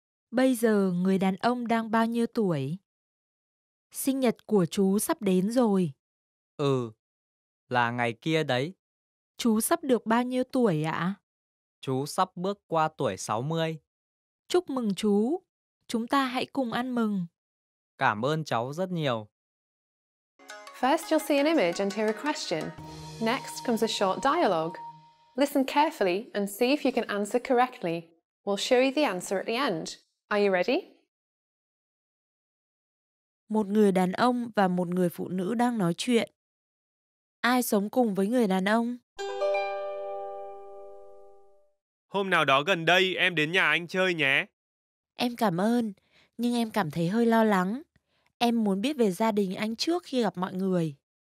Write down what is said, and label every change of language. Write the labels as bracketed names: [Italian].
[Vietnamese] Bây giờ người đàn ông đang bao nhiêu tuổi? Sinh nhật của chú sắp đến rồi. Ừ, là ngày kia đấy. Chú sắp được bao nhiêu tuổi ạ? Chú sắp bước qua tuổi 60. Chúc mừng chú. Chúng ta hãy cùng ăn mừng. Cảm ơn cháu rất nhiều. [English] First you'll see an image and hear a question. Next comes a short dialogue. Listen carefully and see if you can answer correctly. We'll show you the answer at the end. Are you ready? [Vietnamese] Một người đàn ông và một người phụ nữ đang nói chuyện. Ai sống cùng với người đàn ông? Hôm nào đó gần đây em đến nhà anh chơi nhé. Em cảm ơn, nhưng em cảm thấy hơi lo lắng. Em muốn biết về gia đình anh trước khi gặp mọi người.